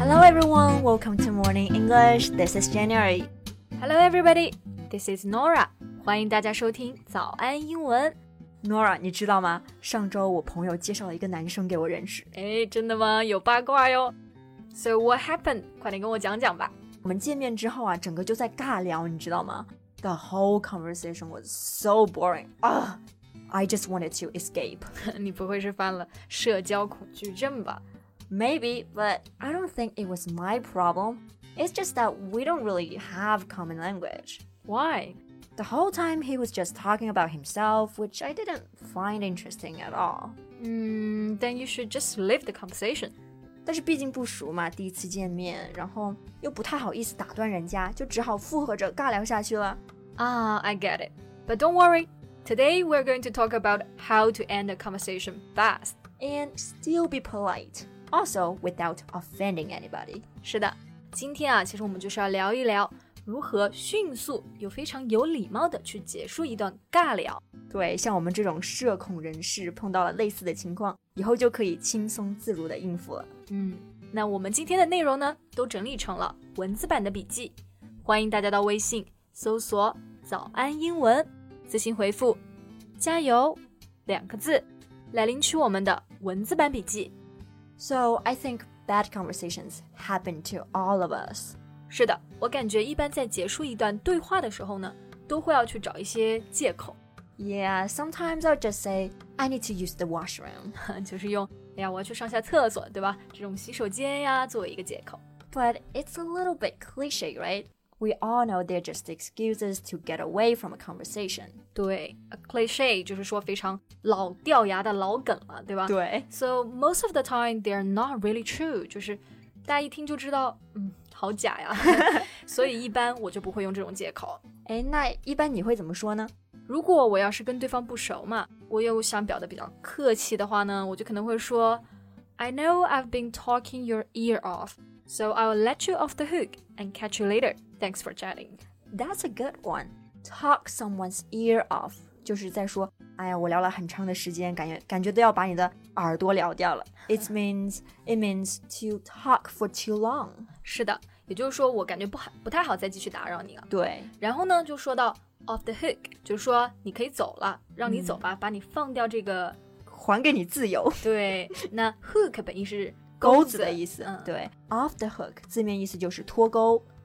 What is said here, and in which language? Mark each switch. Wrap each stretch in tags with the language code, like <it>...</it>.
<en>everyone, welcome to Morning English. This is January. Hello everybody, this is Nora.</en> <zh>欢迎大家收听早安英文。 Nora, 你知道吗？上周我朋友介绍了一个男生给我认识。哎，真的吗？有八卦哟。</zh> <en>So what happened?</en> <zh>快点跟我讲讲吧。我们见面之后啊，整个就在尬聊，你知道吗？</zh> <en>The whole conversation was so boring. I just wanted to escape.</en> <zh>你不会是犯了社交恐惧症吧？</zh> <en>Maybe, but I don't think it was my problem. It's just that we don't really have common language. Why? The whole time he was just talking about himself, which I didn't find interesting at all. Then you should just leave the conversation.</en> <zh>但是毕竟不熟嘛，第一次见面，然后又不太好意思打断人家，就只好附和着尬聊下去了。</zh> <en>I get it. But don't worry. Today we're going to talk about how to end a conversation fast. And still be polite. Also, without offending anybody.</en> <zh>是的，今天啊，其实我们就是要聊一聊如何迅速又非常有礼貌的去结束一段尬聊。对，像我们这种社恐人士碰到了类似的情况，以后就可以轻松自如的应付了。那我们今天的内容呢，都整理成了文字版的笔记，欢迎大家到微信搜索早安英文，自行回复加油两个字，来领取我们的文字版笔记。</zh> <en>So, I think bad conversations happen to all of us.</en> <zh>是的，我感觉一般在结束一段对话的时候呢，都会要去找一些借口。</zh> <en>Yeah, sometimes I'll just say, I need to use the washroom.</en> <zh>就是用，哎呀，我要去上下厕所，对吧？这种洗手间呀，作为一个借口。</zh> <en>But it's a little bit cliche, right? We all know they're just excuses to get away from a conversation.</en> <zh>对 ,a cliche 就是说非常老掉牙的老梗了，对吧？对。</zh> <en>So most of the time, they're not really true.</en> <zh>就是大家一听就知道，好假呀。所以一般我就不会用这种借口。哎，那一般你会怎么说呢？如果我要是跟对方不熟嘛，我又想表得比较客气的话呢，我就可能会说</zh> <en>I know I've been talking your ear off, so I'll let you off the hook and catch you later. Thanks for chatting. That's a good one. Talk someone's ear off.</en> <zh>就是在说，哎呀，我聊了很长的时间，感觉都要把你的耳朵聊掉了。</zh> <en>It means to talk for too long.</en> <zh>是的，也就是说我感觉不太好再继续打扰你了。对。然后呢，就说到 off the hook, 就是说你可以走了，让你走吧，把你放掉这个。还给你自由。对。那 hook 本意是钩子的意思。对。 Off the hook, 字面意思就是脱钩。</zh>